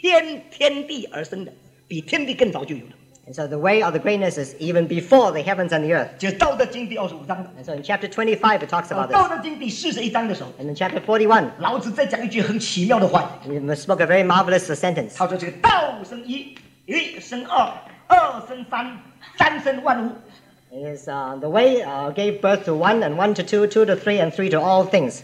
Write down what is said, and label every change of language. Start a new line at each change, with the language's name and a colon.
Chinese: 这个道,这个大,是天天地而生的,比天地更早就有的。
English: And so the way of the greatness is even before the heavens and the earth.
Chinese: 就是道德经第25章,
English: and so in chapter 25, it talks about this.
Chinese: 道德经第41章的时候,
English: and in chapter 41,
Chinese: 老子再讲一句很奇妙的话,
English: he spoke a very marvelous sentence.
Chinese: 他说这个道生一,一生二,二生三,三生万物。
English: It is the way gave birth to one, and one to two, two to three, and three to all things.